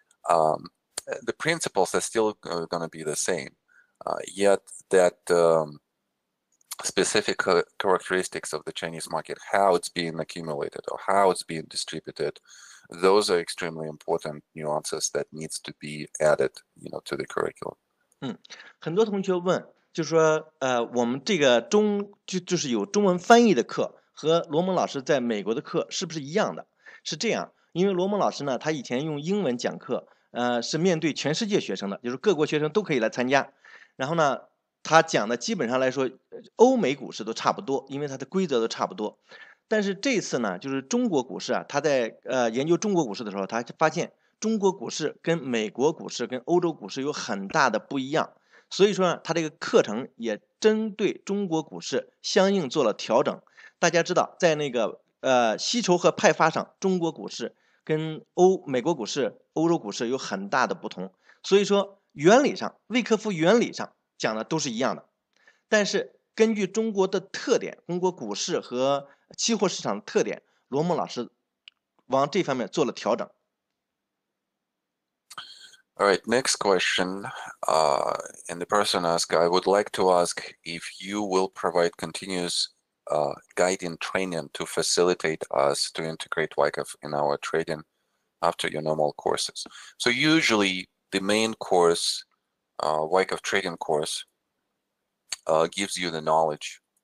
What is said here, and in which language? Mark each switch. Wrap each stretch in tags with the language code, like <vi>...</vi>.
<en>The principles are still going to be the same, yet that specific characteristics of the Chinese market, how it's being accumulated or how it's being distributed, those are extremely important nuances that needs to be added, to the curriculum.</en> <zh>很多同学问，就说，我们这个就是有中文翻译的课，和罗蒙老师在美国的课是不是一样的？是这样，因为罗蒙老师呢，他以前用英文讲课，是面对全世界学生的，就是各国学生都可以来参加。然后呢，他讲的基本上来说，欧美股市都差不多，因为它的规则都差不多。但是这次呢，就是中国股市啊，他在研究中国股市的时候，他发现。中国股市跟美国股市、跟欧洲股市有很大的不一样，所以说呢，他这个课程也针对中国股市相应做了调整。大家知道，在那个吸筹和派发上，中国股市跟美国股市、欧洲股市有很大的不同，所以说原理上，威科夫原理上讲的都是一样的，但是根据中国的特点，中国股市和期货市场的特点，罗蒙老师往这方面做了调整。</zh> <en>All right, next question. And the person asked, I would like to ask if you will provide continuous guiding training to facilitate us to integrate WYKF in our trading after your normal courses. So usually the main course, WYKF trading course, gives you the knowledge.</en>